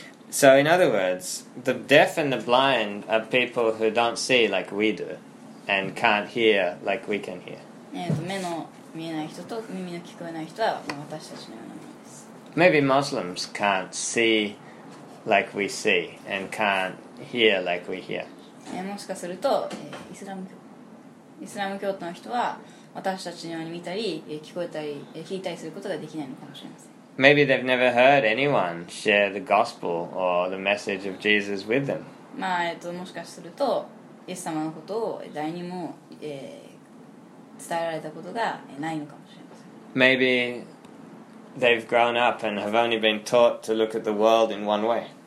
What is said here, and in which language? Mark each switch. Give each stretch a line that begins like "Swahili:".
English: So in other words, the deaf and the blind are people who don't see like we do, and can't hear like we can hear.
Japanese: 目の見えない人と耳の聞こえない人は、私たちのようなものです。
English: Maybe Muslims can't see like we see, and can't hear like we hear.
Japanese: もしかすると、イスラム教徒の人は私たちのように見たり、聞こえたり、聞いたりすることができないのかもしれません。
English: Maybe they've never heard anyone share the gospel or the message of Jesus with them.
Japanese: まあ、もしかすると、イエス様のことを誰にも、伝えられたことがないのかもしれません。
English: Maybe they've grown up and have only been taught to look at the world in one way.